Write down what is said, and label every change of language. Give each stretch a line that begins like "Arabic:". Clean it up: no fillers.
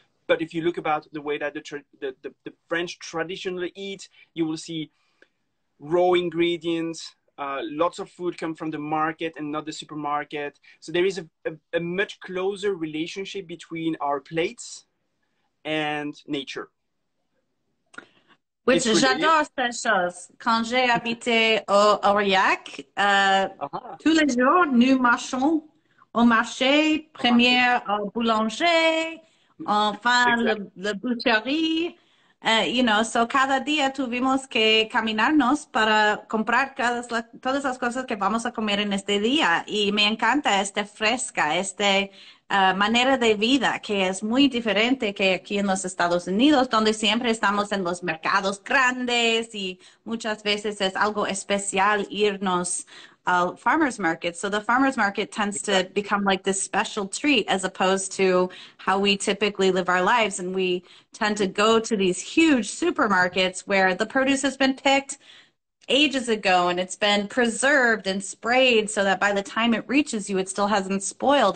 English: But if you look about the way that the French traditionally eat, you will see raw ingredients. Lots of food come from the market and not the supermarket. So there is a much closer relationship between our plates and nature. Which
French: j'adore cette chose. Quand j'ai habité au Aurillac, tous les jours, nous marchons au marché, premier au boulanger, enfin la boucherie.
English: You know, so
Spanish: cada día tuvimos que caminarnos para comprar todas las cosas que vamos a comer en este día. Y me encanta esta fresca, esta manera de vida que es muy diferente que aquí en los Estados Unidos, donde siempre estamos en los mercados grandes y muchas veces es algo especial irnos al farmer's market.
English: So the farmer's market tends to become like this special treat as opposed to how we typically live our lives. And we tend to go to these huge supermarkets where the produce has been picked ages ago and it's been preserved and sprayed so that by the time it reaches you, it still hasn't spoiled.